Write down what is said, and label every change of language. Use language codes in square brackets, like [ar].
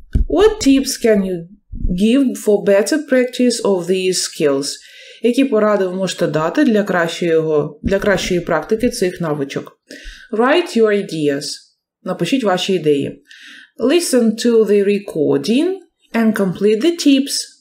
[en] What tips can you give for better practice of these skills? [uk] Які поради ви можете дати для кращої практики цих навичок? [en] Write your ideas. [uk] Напишіть ваші ідеї. [en] Listen to the recording and complete the tips.